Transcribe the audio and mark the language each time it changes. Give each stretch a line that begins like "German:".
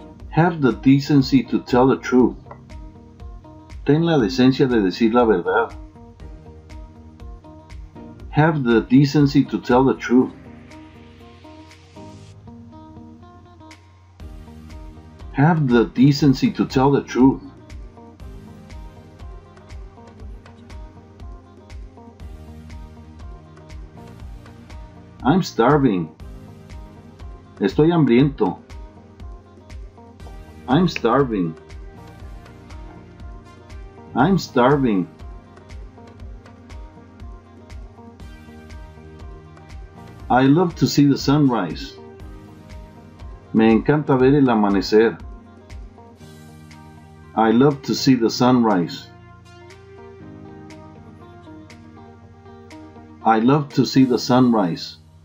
English: Have the decency to tell the truth.
Spanish: Ten la decencia de decir la verdad.
English: Have the decency to tell the truth. Have the decency to tell the truth. I'm starving.
Spanish: Estoy hambriento.
English: I'm starving. I'm starving. I love to see the sunrise.
Spanish: Me encanta ver el amanecer.
English: I love to see the sunrise. I love to see the sunrise.